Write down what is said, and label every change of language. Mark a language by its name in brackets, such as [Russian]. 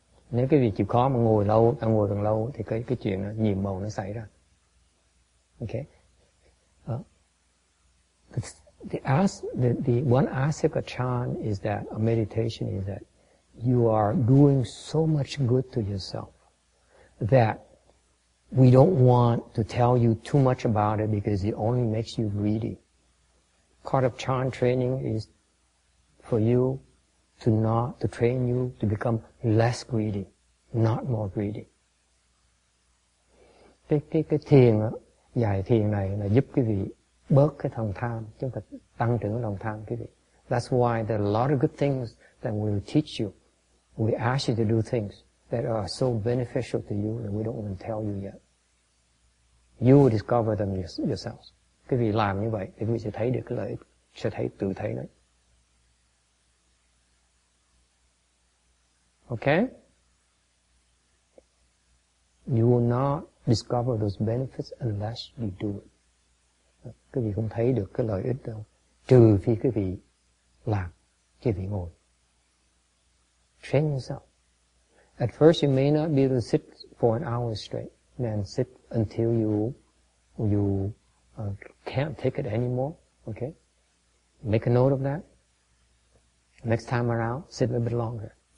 [Vietnamese] Nếu cái việc chịu khó mà ngồi lâu, ta ngồi càng lâu thì cái chuyện đó, nhiệm màu nó xảy ra. [English] Okay? The one aspect of chan is that, a meditation is that, you are doing so much good to yourself that we don't want to tell you too much about it because it only makes you greedy. Part of chan training is for you to train you to become less greedy, not more greedy. [Vietnamese] Cái thiền dạy thiền này là giúp quý vị bớt cái lòng tham, chúng ta tăng trưởng lòng tham quý vị. [English] That's why there are a lot of good things that we will teach you. We ask you to do things that are so beneficial to you that we don't even tell you yet. You will discover them yourselves. [Vietnamese] Quý vị làm như vậy thì quý vị sẽ thấy được cái lợi ích, sẽ thấy tự thấy đấy. [English] Okay? You will not discover those benefits unless you do it. [Vietnamese] Quý vị không thấy được cái lợi ích đâu, trừ phi quý vị làm, quý vị ngồi. [English] Train yourself. At first you may not be able to sit for an hour straight, then sit until you can't take it anymore. Okay? Make a note of that. Next time around, sit a little bit longer.